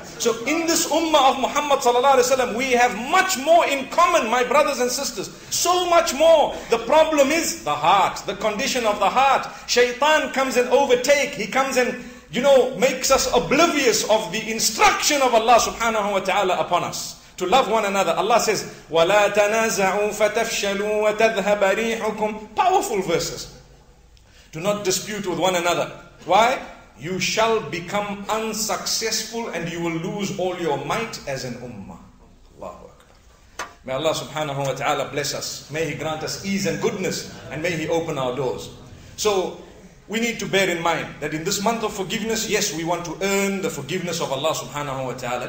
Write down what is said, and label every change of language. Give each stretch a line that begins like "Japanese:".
English: So in this ummah of Muhammad sallallahu alaihi wasallam, we have much more in common, my brothers and sisters. So much more. The problem is the heart, the condition of the heart. Shaitan comes and overtake. He comes and, you know, makes us oblivious of the instruction of Allah subhanahu wa ta'ala upon us. To love one another. Allah says,
Arabic: وَلَا تَنَازَعُوا فَتَفْشَلُوا وَتَذْهَبَ رِيحُكُمْ.
English: Powerful verses. Do not dispute with one another. Why? You shall become unsuccessful and you will lose all your might as an ummah. Allahu Akbar. May Allah subhanahu wa ta'ala bless us. May He grant us ease and goodness and may He open our doors. So we need to bear in mind that in this month of forgiveness, yes, we want to earn the forgiveness of Allah subhanahu wa ta'ala.